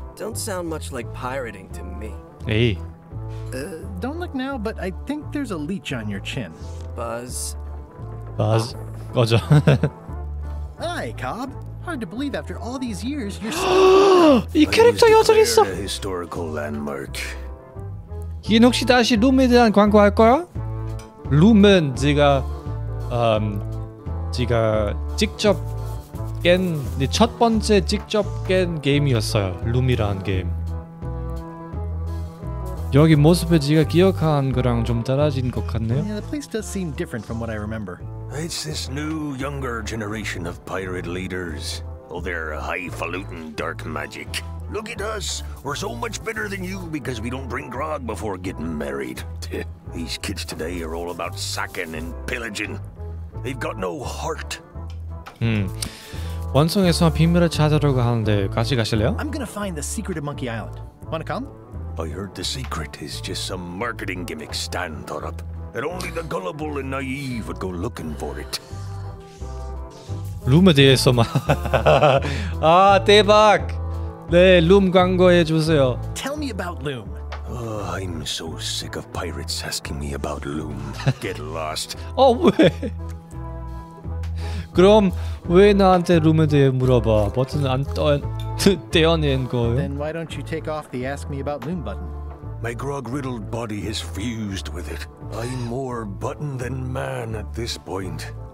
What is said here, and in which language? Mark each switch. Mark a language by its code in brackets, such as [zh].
[en] Don't sound much like pirating to me. Hey. Don't look now, but I think there's a leech on your chin. Buzz. Buzz. [ko] 꺼져. [en] Hi, Cobb. Hard to believe after all these years you're still. [ko] 이 캐릭터 여전히 있어. [en] Historical landmark. [ko] 얘는 혹시 다시 룸에 대한 광고할 거야? 룸은 제가 제가 직접 깬 첫 번째 직접 깬 게임이었어요. 룸이라는 게임. 여기 모습에 제가 기억한 거랑 좀 달라진 것 같네요. [en] Yeah, the place does seem different from what I remember. It's this new, younger generation of pirate leaders. All their highfalutin dark magic. Look at us! We're so much better than you because we don't drink grog before getting married. These kids today are all about sacking and pillaging. They've got no heart. [ko] 원숭이에서 비밀을 찾으려고 하는데 같이 가실래요? [en] I'm gonna find the secret of Monkey Island. Wanna come? I heard the secret is just some marketing gimmick Stan thought up. That only the gullible and naive would go looking for it. [ko] 룸에 대해서만. 아, 대박! 네, 룸 광고해 주세요. [en] Tell me about Loom. Oh, I'm so sick of pirates asking me about Loom. Get lost. [ko] 어, 왜? 그럼 왜 나한테 룸에 대해 물어봐? 버튼을 안 떼어낸 거예요? [en] Then why don't you take off the ask me about Loom button? My grog-riddled body is fused with it. I'm more button than man at this point.